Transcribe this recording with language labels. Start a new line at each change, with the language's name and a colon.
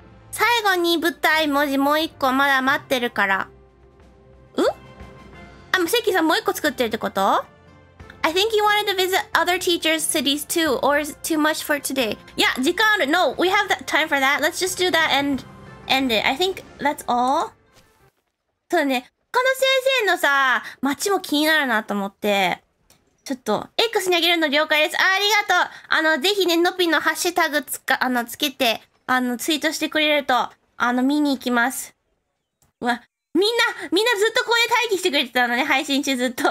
Japanese: 最後に舞台文字もう一個まだ待ってるから。うん？あ、もう関さんもう一個作ってるってこと？
English: I think you wanted to visit other teachers' cities too, or is it too much for today? Yeah,
Japanese: 時間ある。
English: No, we have that time for that. Let's just do that and end it. I think that's all.
Japanese: そうね。この先生のさ、街も気になるなと思って。ちょっと、X にあげるの了解です。ありがとう。ぜひね、のぴのハッシュタグつけて、ツイートしてくれると、見に行きます。うわ、みんなずっとここで待機してくれてたのね、配信中ずっと。